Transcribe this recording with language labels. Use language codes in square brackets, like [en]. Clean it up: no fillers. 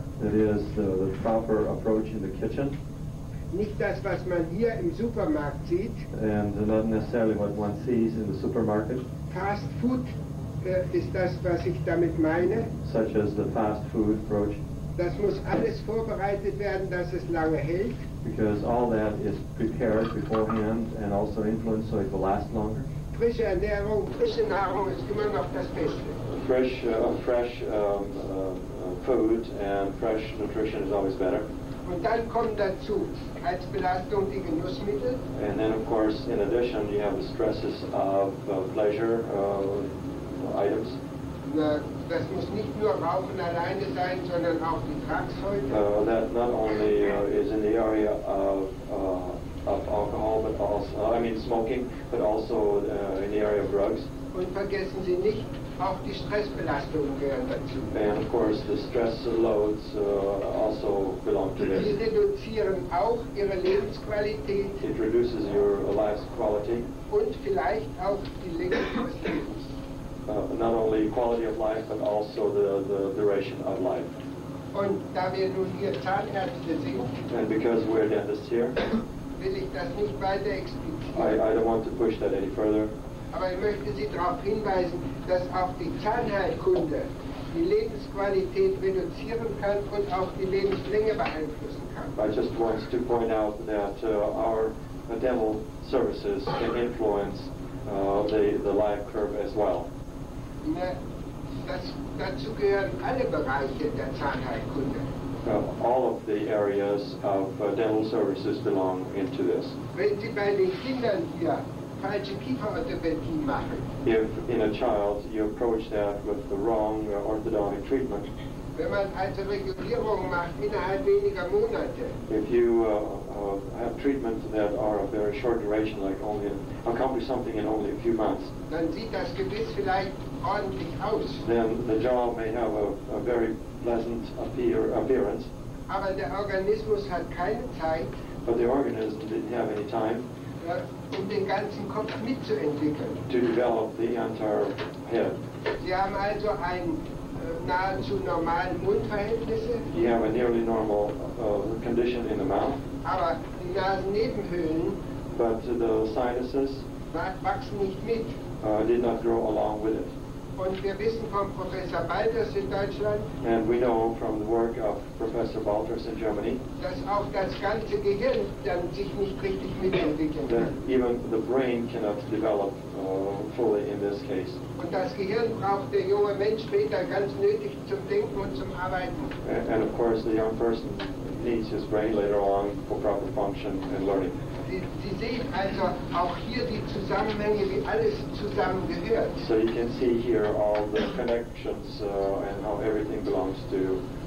[en] That is, the proper approach in the kitchen. [de] Nicht das, was man hier im Supermarkt sieht. [en] And not necessarily what one sees in the supermarket. [de] Fast food ist das, was ich damit meine. [en] Such as the fast food approach. [de] Das muss alles vorbereitet werden, dass es lange hält. [en] Because all that is prepared beforehand and also influenced so it will last longer. [de] Frische Ernährung, frische Nahrung ist immer noch das Beste. [en] Fresh food and fresh nutrition is always better. [de] Und dann kommen dazu als Belastung die Genussmittel. [en] And then, of course, in addition, you have the stresses of pleasure items. [de] Na, das muss nicht nur Rauchen alleine sein, sondern auch die Tragzeuge. [en] That not only is in the area of alcohol, but also smoking, but also in the area of drugs. [de] Und vergessen Sie nicht, auch die Stressbelastungen gehören dazu. [en] And of course the stress loads also belong to this. [de] Sie reduzieren auch ihre Lebensqualität. [en] It reduces your life's quality. [de] Und vielleicht auch die Länge des Lebens. [en] Not only quality of life, but also the duration of life. [de] Und da wir nun hier Zahnärzte sind, [en] and because we're dentists here, [de] will ich das nicht weiter explizieren. [en] I don't want to push that any further. [de] Aber ich möchte Sie darauf hinweisen, dass auch die Zahnheilkunde die Lebensqualität reduzieren kann und auch die Lebenslänge beeinflussen kann. [en] I just want to point out that our dental services can influence the life curve as well. [de] Ne, dazu gehören alle Bereiche der Zahnheilkunde. [en] All of the areas of dental services belong into this. [de] Wenn Sie bei den Kindern hier falsche Kieferorthopädie machen. [en] If in a child you approach that with the wrong orthodontic treatment. [de] Wenn man also Regulierung macht innerhalb weniger Monate. [en] If you have treatments that are of very short duration, like only accomplish something in only a few months. [de] Dann sieht das Gebiss vielleicht ordentlich aus. [en] Then the jaw may have a very pleasant appearance. [de] Aber der Organismus hat keine Zeit. [en] But the organism didn't have any time. [de] Um den ganzen Kopf mitzuentwickeln. [en] To develop the entire head. [de] Sie haben also ein nahezu normalen Mundverhältnisse. [en] You have a nearly normal condition in the mouth. [de] Aber die Nasennebenhöhlen. [en] But the sinuses. [de] Wachsen nicht mit. [en] Did not grow along with it. [de] Und wir wissen vom Professor Balters in Deutschland. [en] And we know from the work of Professor Balters in Germany. [de] Dass auch das ganze Gehirn dann sich nicht richtig mitentwickeln kann. [en] That even the brain cannot develop fully in this case. [de] Und das Gehirn braucht der junge Mensch später ganz nötig zum Denken und zum Arbeiten. [en] And of course the young person needs his brain later on for proper function and learning. [de] Sie sehen also auch hier die Zusammenhänge, wie alles zusammengehört. [en] So you can see here all the connections and how everything belongs to you.